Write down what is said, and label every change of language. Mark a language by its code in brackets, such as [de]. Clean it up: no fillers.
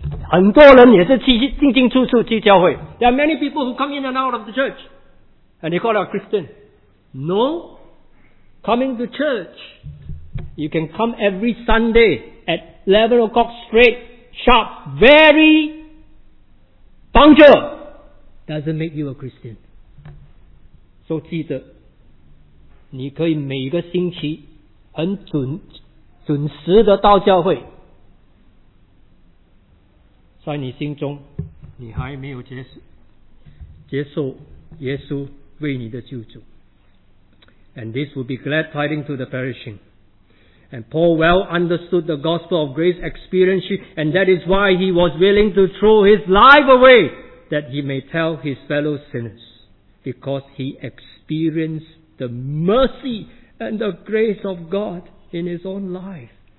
[zh] 很多人也是进进出出去教会。 [en] There are many people who come in and out of the church, and they call it a Christian. No, coming to church, you can come every Sunday at 11 o'clock straight, sharp, very punctual, doesn't make you a Christian. [zh] So 记得, 你可以每个星期 很准时的到教会, 在你心中, 你还没有接受耶稣为你的救主。 [en] And this will be glad tidings to the perishing. And Paul well understood the gospel of grace experientially, and that is why he was willing to throw his life away, that he may tell his fellow sinners, because he experienced the mercy and the grace of God in his own life.